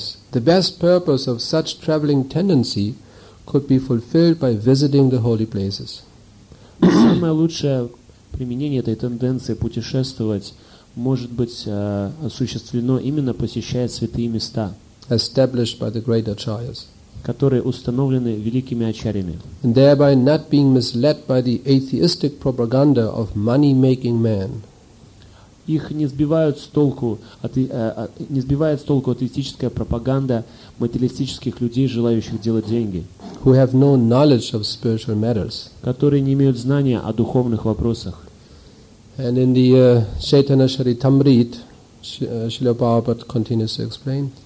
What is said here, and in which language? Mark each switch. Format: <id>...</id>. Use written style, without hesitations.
<en>The best purpose of such traveling tendency could be fulfilled by visiting the holy places.</en> <ru>Самое лучшее применение этой тенденции путешествовать может быть осуществлено именно посещая святые места,</ru> <en>established by the great acharyas,</en> <ru>которые установлены великими ачарьями,</ru> <en>and thereby not being misled by the atheistic propaganda of money-making man.</en> <ru>Их не сбивает с толку атеистическая пропаганда материалистических людей, желающих делать деньги,</ru> <en>who have no knowledge of spiritual matters,</en> <ru>которые не имеют знания о духовных вопросах.</ru> <en>And in the Chaitanya Charitamrit, Srila Prabhupada continues to explain.</en>